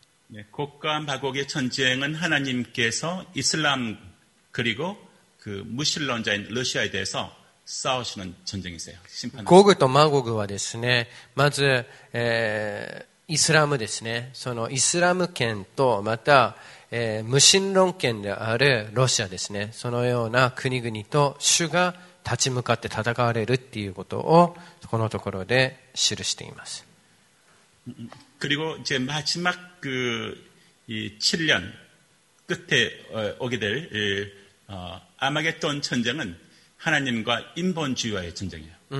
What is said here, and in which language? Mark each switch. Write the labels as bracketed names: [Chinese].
[Korean] 네, 곡과 마곡의 전쟁은 하나님께서 이슬람 그리고 그 무신론자인 러시아에 대해서 싸우시는 전쟁이세요. 심판. 곡과 마곡은 [Japanese] ですね、まず イスラム圏と、また、無神論圏であるロシアですね。そのような国々と主が立ち向かって戦われるっていうことを、このところで記しています。 [Korean] 그리고 이제 마지막 그 7년 끝에 오게 될 아마겟돈 전쟁은 하나님과 인본주의와의 전쟁이에요.